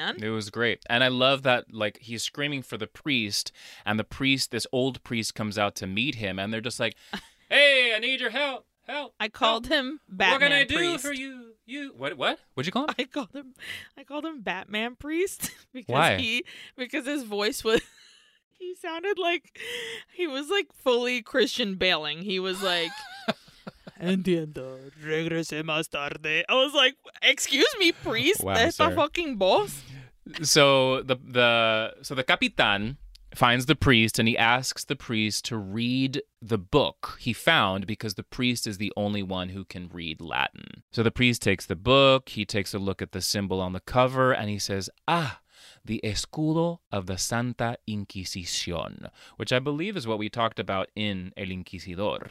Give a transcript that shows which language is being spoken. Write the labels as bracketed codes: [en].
[en] It was great, and I love that, like, he's screaming for the priest, and the priest, this old priest, comes out to meet him, and they're just like, hey, I need your help. I called him Batman Priest. What can I do for you? What'd you call him? I called him Batman Priest because his voice was he sounded like he was like fully Christian Bailing. He was like, [es] entiendo, regrese más tarde. [en] I was like, excuse me, priest? Wow, that's the fucking boss? So the capitán finds the priest, and he asks the priest to read the book he found, because the priest is the only one who can read Latin. So the priest takes the book, he takes a look at the symbol on the cover, and he says, ah, the escudo of the Santa Inquisición, which I believe is what we talked about in El Inquisidor.